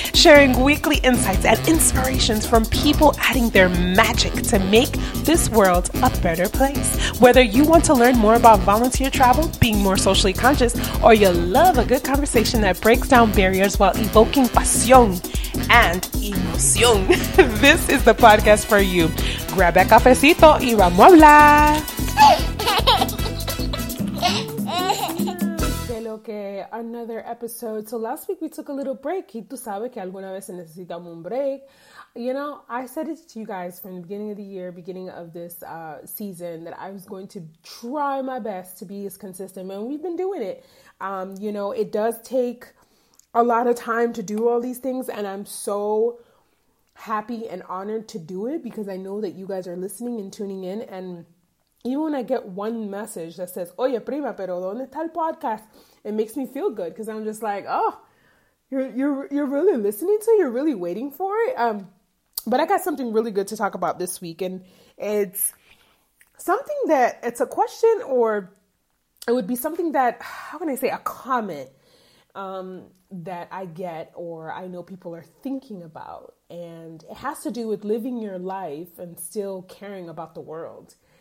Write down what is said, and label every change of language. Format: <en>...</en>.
<en>Sharing weekly insights and inspirations from people adding their magic to make this world a better place. Whether you want to learn more about volunteer travel, being more socially conscious, or you love a good conversation that breaks down barriers while evoking pasión and emoción, this is the podcast for you. Grab a</en> <es>cafecito y vamos a hablar. Que lo que,</es> <en>another episode. So last week we took a little break.</en> <es>Y tú sabes que alguna vez necesitamos un break.</es> <en>You know, I said it to you guys from the beginning of the year, beginning of this season, that I was going to try my best to be as consistent. And we've been doing it. You know, it does take a lot of time to do all these things, and I'm so happy and honored to do it because I know that you guys are listening and tuning in. And even when I get one message that says,</en> <es>oye prima, pero ¿dónde está el podcast?</es> <en>It makes me feel good because I'm just like, oh, you're really listening to it? You're really waiting for it? But I got something really good to talk about this week, and it's something that, it's a question, or it would be something that, how can I say, a comment that I get, or I know people are thinking about, and it has to do with living your life and still caring about the world.</en>